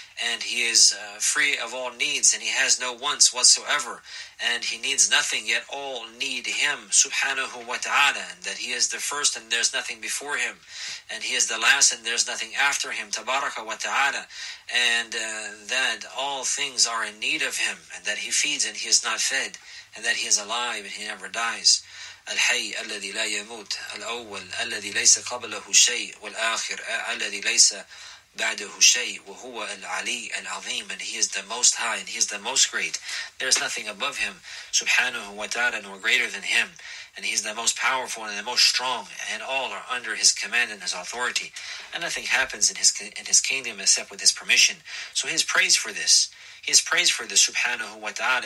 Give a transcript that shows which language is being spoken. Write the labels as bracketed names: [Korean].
[English] and he is free of all needs, and he has no wants whatsoever, and he needs nothing, yet all need him, subhanahu wa ta'ala, and that he is the first and there's nothing before him, and he is the last and there's nothing after him, tabaraka wa ta'ala, and that all things are in need of him, and that he feeds and he is not fed, and that he is alive and he never dies. [Arabic] الحي الذي لا يموت الأول الذي ليس قبله شيء والآخر الذي ليس بعده شيء وهو العلي العظيم, [English] and he is the most high and he is the most great. There is nothing above him, subhanahu wa ta'ala, nor greater than him, and he is the most powerful and the most strong, and all are under his command and his authority, and nothing happens in his kingdom except with his permission. So he is praised for this. He is praised for the subhanahu wa ta'ala.